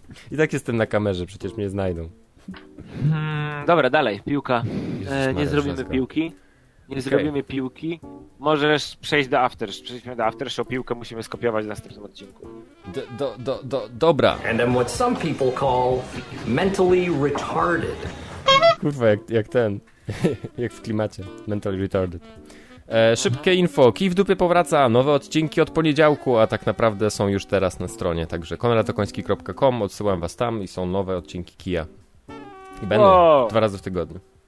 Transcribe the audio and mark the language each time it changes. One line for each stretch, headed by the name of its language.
Polish: I tak jestem na kamerze, przecież mnie znajdą. Dobra, dalej, piłka. Nie zrobimy piłki. Możesz przejść do after. Przejdźmy do after, show piłkę musimy skopiować w następnym odcinku. Dobra.
English: And I'm what some people call mentally retarded.
Polish: Kurwa, jak ten. Jak w klimacie.
English: Mentally retarded.
Polish: Szybkie info, kij w dupie powraca, nowe odcinki od poniedziałku, a tak naprawdę są już teraz na stronie, także konradokoński.com, odsyłam was tam i są nowe odcinki kija. I będą dwa razy w tygodniu.